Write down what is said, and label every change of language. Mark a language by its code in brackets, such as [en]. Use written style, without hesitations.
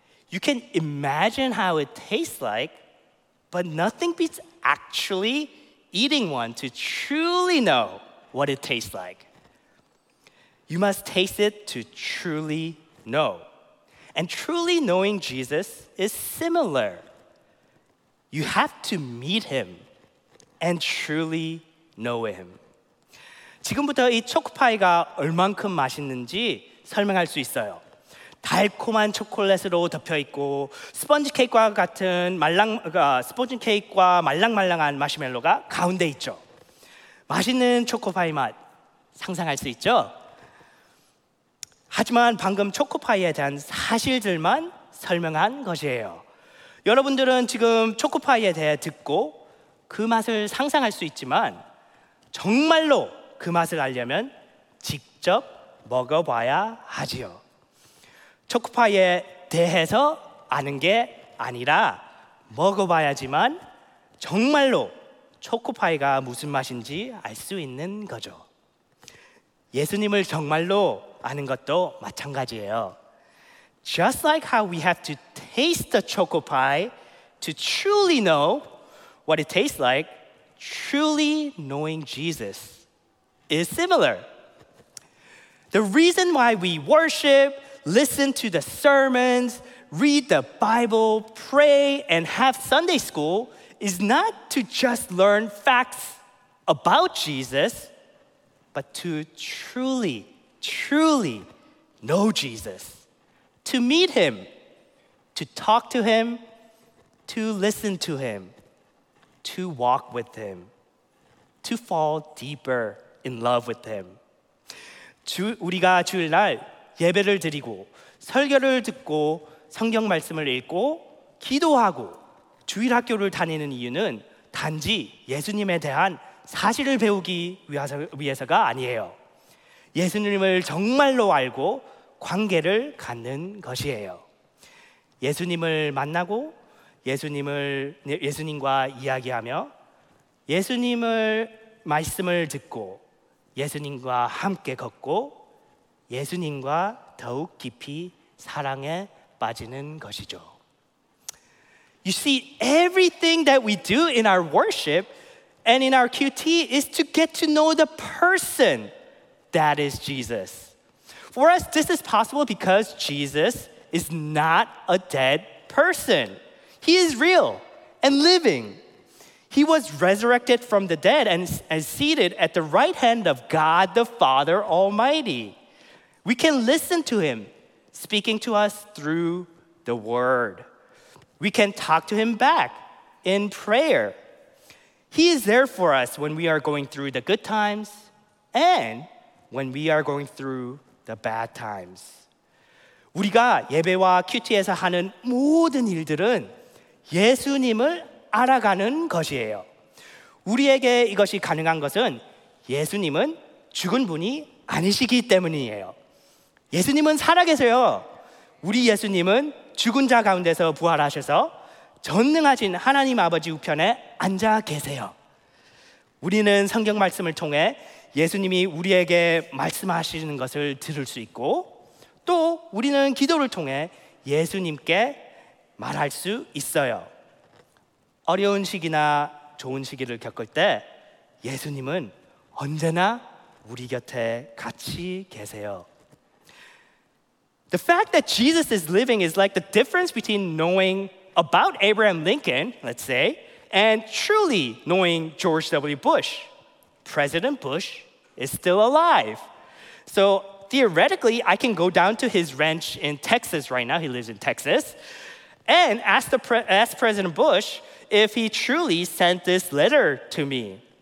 [en] You can imagine how it tastes like, but nothing beats actually eating one to truly know what it tastes like. You must taste it to truly know. And truly knowing Jesus is similar. You have to meet him and truly know him. [ko] 지금부터 이 초코파이가 얼만큼 맛있는지 설명할 수 있어요. 달콤한 초콜릿으로 덮여 있고 스펀지 케이크와 같은 스펀지 케이크와 말랑말랑한 마시멜로가 가운데 있죠. 맛있는 초코파이 맛 상상할 수 있죠? 하지만 방금 초코파이에 대한 사실들만 설명한 것이에요. 여러분들은 지금 초코파이에 대해 듣고 그 맛을 상상할 수 있지만 정말로 그 맛을 알려면 직접 먹어봐야 하지요. 초코파이에 대해서 아는 게 아니라 먹어봐야지만 정말로 초코파이가 무슨 맛인지 알 수 있는 거죠. 예수님을 정말로 아는 것도 마찬가지예요. [en] Just like how we have to taste the choco pie to truly know what it tastes like, truly knowing Jesus is similar. The reason why we worship, listen to the sermons, read the Bible, pray, and have Sunday school is not to just learn facts about Jesus, but to truly, truly know Jesus, to meet him, to talk to him, to listen to him, to walk with him, to fall deeper in love with him. [ko] 우리가 주일날 예배를 드리고 설교를 듣고 성경 말씀을 읽고 기도하고 주일 학교를 다니는 이유는 단지 예수님에 대한 사실을 배우기 위해서가 아니에요. 예수님을 정말로 알고 관계를 갖는 것이에요. 예수님을 만나고 예수님과 이야기하며 예수님을 말씀을 듣고 예수님과 함께 걷고 예수님과 더욱 깊이 사랑에 빠지는 것이죠. [en] You see, everything that we do in our worship and in our QT is to get to know the person that is Jesus. For us, this is possible because Jesus is not a dead person. He is real and living. He was resurrected from the dead and is seated at the right hand of God the Father Almighty. We can listen to him, speaking to us through the word. We can talk to him back in prayer. He is there for us when we are going through the good times and when we are going through the bad times. [ko] 우리가 예배와 큐티에서 하는 모든 일들은 예수님을 알아가는 것이에요. 우리에게 이것이 가능한 것은 예수님은 죽은 분이 아니시기 때문이에요. 예수님은 살아계세요. 우리 예수님은 죽은 자 가운데서 부활하셔서 전능하신 하나님 아버지 우편에 앉아 계세요. 우리는 성경 말씀을 통해 예수님이 우리에게 말씀하시는 것을 들을 수 있고 또 우리는 기도를 통해 예수님께 말할 수 있어요. 어려운 시기나 좋은 시기를 겪을 때 예수님은 언제나 우리 곁에 같이 계세요. [en] The fact that Jesus is living is like the difference between knowing about Abraham Lincoln, let's say, and truly knowing George W. Bush. President Bush is still alive. So theoretically, I can go down to his ranch in Texas right now, he lives in Texas, and ask President Bush if he truly sent this letter to me.